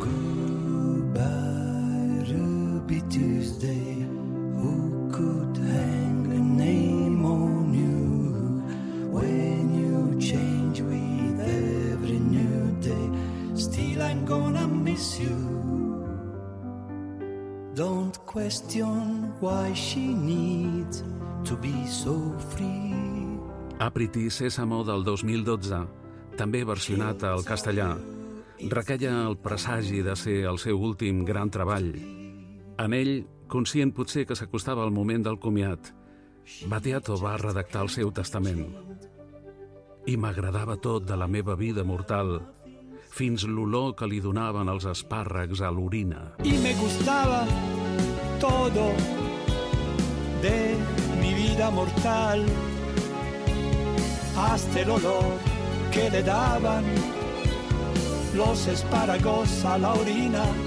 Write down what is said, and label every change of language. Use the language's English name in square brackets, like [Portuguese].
[English] Goodbye, Ruby Tuesday, who could hang a name on you when you change with every new day? Still I'm gonna miss you. Don't question why she needs to be so free. [Catalan] Apriti Sésamo del 2012, també versionat al castellà, recaia el presagi de ser el seu últim gran treball. En ell, conscient potser que s'acostava el moment del comiat, Batiato va redactar el seu testament. I m'agradava tot de la meva vida mortal, fins l'olor que li donaven els espàrrecs a l'orina. [Spanish] Y me gustaba todo de mi vida mortal, hasta el olor que le daban los espárragos a la orina.